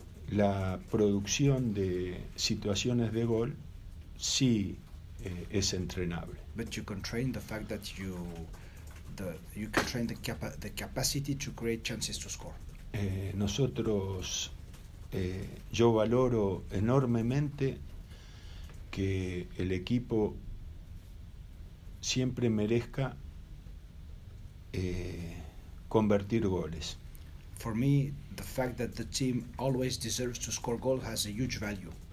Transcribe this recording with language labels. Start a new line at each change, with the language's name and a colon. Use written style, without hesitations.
Spanish: La producción de situaciones de gol sí es entrenable.
English: But you can train the fact that you can train the capacity to create chances to score.
Spanish: Nosotros, yo valoro enormemente que el equipo siempre merezca convertir goles.
English: For me, the fact that the team always deserves to score goals has a huge value.